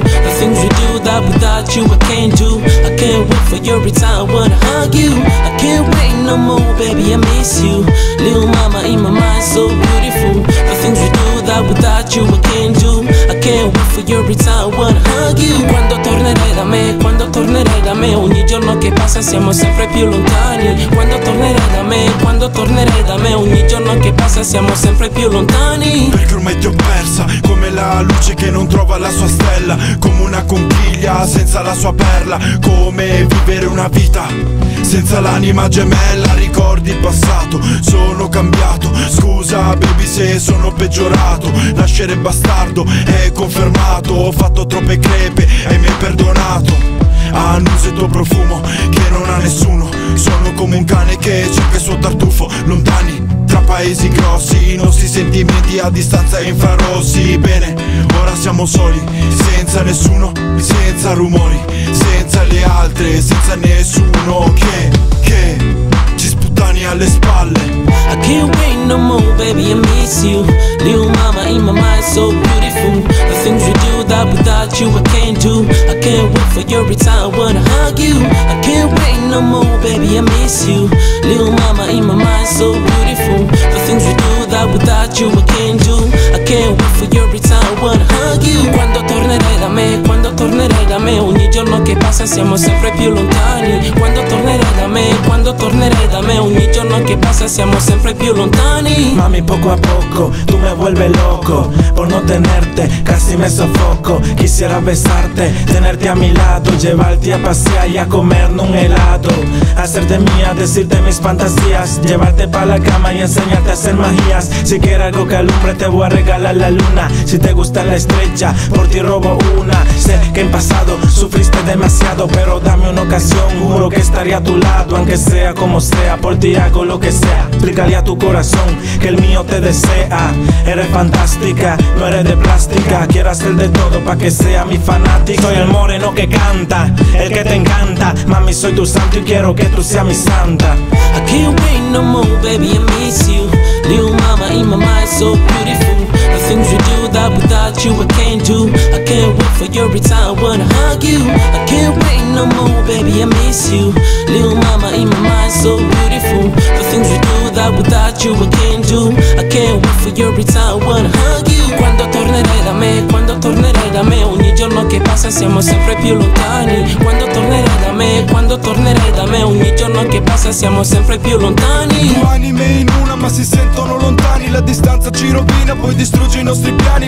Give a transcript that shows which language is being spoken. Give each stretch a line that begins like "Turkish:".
English: The things you do that without you I can't do. I can't wait for your return, I wanna hug you. I can't wait no more, baby, I miss you. Little mama in my mind, so beautiful. The things you do that without you I can't do. I can't wait for your return, I wanna hug you.
Italian: Quando tornerai da me, quando tornerai da me. Ogni giorno che passa siamo sempre più lontani. Quando tornerai da me, quando tornerai da me. Ogni giorno che passa siamo sempre più lontani. Perché ormai ti ho persa, come la luce che non trova la sua stella. Come una conchiglia senza la sua perla. Come vivere una vita senza l'anima gemella. Ricordi il passato, sono cambiato. Scusa baby se sono peggiorato. Nascere bastardo è confermato. Ho fatto troppe crepe e mi hai perdonato. Annuso il tuo profumo che non ha nessuno. Sono come un cane che cerca il suo tartufo. Lontani tra paesi grossi, i nostri sentimenti a distanza infrarossi. Bene, ora siamo soli, senza nessuno, senza rumori, senza le altre, senza nessuno che ci sputtani alle spalle.
English: I can't wait no more, baby, I miss you. Little mama in my mind, so beautiful. The things you do that without you I can't do. I can't wait for your return, I wanna hug you. I can't wait no more, baby, I miss you. Little mama in my mind, so beautiful. The things you do that without you I can't do. I can't wait for your return, I wanna hug you.
Italian: Quando tornerai da me, quando tornerai da me. Ogni giorno che passa siamo sempre più lontani. Quando tornerai da me, quando tornerai da me. Ogni giorno che passa siamo sempre più lontani.
Spanish: Mami, poco a poco tu me vuelves loco. Por no tenerte casi me sofoco. Quisiera besarte, tenerte a mi lado. Llevarte a pasear y a comer un helado. Hacerte mía, decirte mis fantasías. Llevarte pa' la cama y enseñarte a hacer magias. Si quieres algo que alumbre te voy a regalar la luna. Si te gusta la estrella, por ti robo una. Sé que en pasado sufriste demasiado. Pero dame una ocasión, juro que estaré a tu lado. Aunque sea como sea, por ti hago lo que sea. Explícale a tu corazón que el mío te desea. Eres fantástica, no eres de plástica. Quiero hacer de todo pa' que sea mi fanático. Soy el moreno que canta, el que te encanta. Mami, soy tu santo y quiero que tú seas mi santa.
English: I can't wait no more, baby, I miss you. Little mama in my mind, so beautiful. The things you do that without you I can't do. I can't wait for your return, I wanna hug you. I can't wait no more, baby, I miss you. Little mama in my mind, so beautiful. The things you do that without you I can't do. I can't wait for your return, I wanna hug you.
Italian: Quando tornerai da me, quando tornerai da me. Ogni giorno che passa siamo sempre più lontani. Quando tornerai da me, quando tornerai da me. Ogni giorno che passa siamo sempre più lontani. Due anime in una ma si sentono lontani. La distanza ci rovina, poi distrugge i nostri piani.